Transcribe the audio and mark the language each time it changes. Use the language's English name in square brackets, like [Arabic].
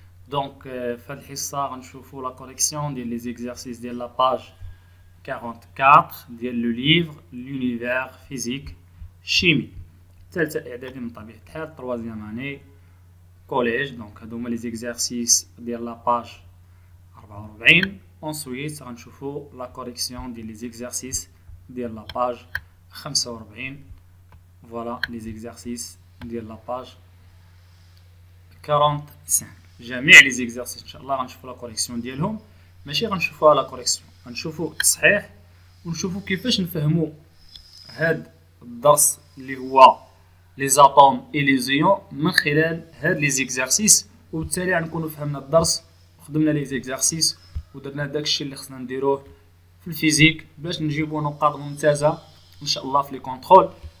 [Arabic] دونك في هذه الحصة غنشوفوا [French] لا كوريكسيون [Arabic] ديال [French] لي زيكزارسيس [Arabic] ديال [French] لا باج 44 [Arabic] ديال [French] لو ليفر لونيفير فيزيك شيمي، [Arabic] ثالثة إعدادي من طبيعة الحال، [French] تروازيام اني كوليج. [Arabic] دونك هادو هما [French] لي زيكزارسيس [Arabic] ديال [French] لا باج 44. [Arabic] انسويت غنشوفوا [French] لا كوريكسيون [Arabic] ديال [French] لي زيكزارسيس [Arabic] ديال [French] لا باج 45. voilà les exercices de la page 45. [Arabic] جميع [French] les exercices [Arabic] ان شاء الله غنشوفوا [French] لا كوريكسيون [Arabic] ديالهم، ماشي غنشوفوا لا كوريكسيون، غنشوفوا التصحيح ونشوفوا كيفاش نفهموا هاد الدرس اللي هو [French] لي زاتوم اي لي زيون [Arabic] من خلال هاد [French] لي زيكزارسيس، [Arabic] وبالتالي غنكونوا فهمنا الدرس وخدمنا لي زيكزارسيس ودرنا داكشي اللي خصنا نديروه في الفيزيك باش نجيبوا نقاط ممتازه ان شاء الله في [French] لي كونترول.